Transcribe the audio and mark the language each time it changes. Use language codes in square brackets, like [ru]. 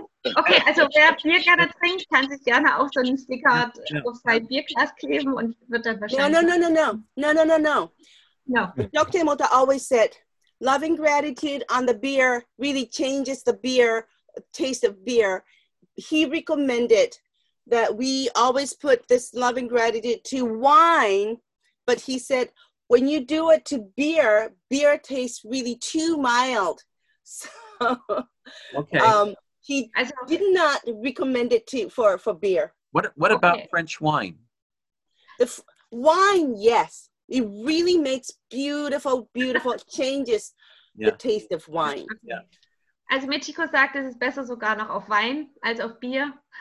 [de] Okay, also wer Bier gerne trinkt, kann sich gerne auch so einen Sticker auf sein Bierglas kleben und wird dann wahrscheinlich... [en] No. Dr. Emoto always said, loving gratitude on the beer really changes the beer, taste of beer. He recommended that we always put this loving gratitude to wine, but he said, when you do it to beer, beer tastes really too mild. So, okay. He did not recommend it for beer. What about French wine? Wine, yes. It really makes beautiful changes the taste of wine. Yeah. [de] Also Michiko sagt, es ist besser sogar noch auf Wein als auf Bier.